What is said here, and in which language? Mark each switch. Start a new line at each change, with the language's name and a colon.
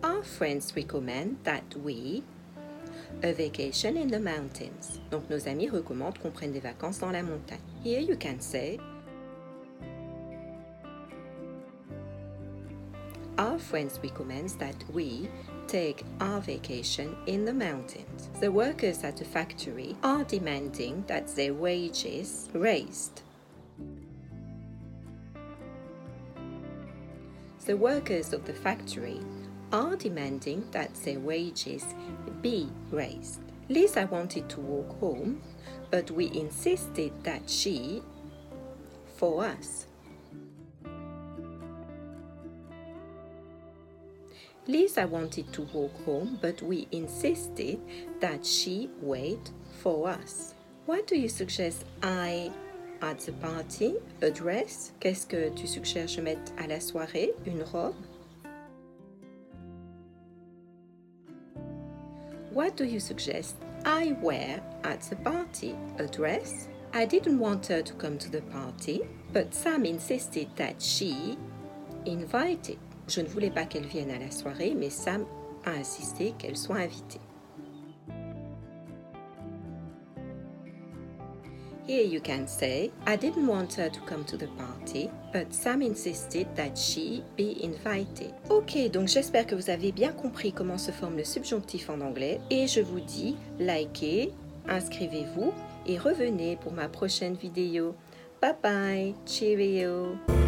English: Our friends recommend that we a vacation in the mountains.
French: Donc nos amis recommandent qu'on prenne des vacances dans la montagne.
English: Here you can say our friends recommend that we take our vacation in the mountains. The workers at the factory are demanding that their wages raised. The workers of the factory are demanding that their wages be raised. Lisa wanted to walk home, but we insisted that she for us. Lisa wanted to walk home, but we insisted that she wait for us. What do you suggest I at the party? A dress?
French: Qu'est-ce que tu suggères je mette à la soirée? Une robe?
English: What do you suggest I wear at the party? A dress? I didn't want her to come to the party, but Sam insisted that she invited.
French: Je ne voulais pas qu'elle vienne à la soirée, mais Sam a insisté qu'elle soit invitée.
English: Here you can say, I didn't want her to come to the party, but Sam insisted that she be invited.
French: Ok, donc j'espère que vous avez bien compris comment se forme le subjonctif en anglais. Et je vous dis, likez, inscrivez-vous et revenez pour ma prochaine vidéo.
English: Bye bye, cheerio!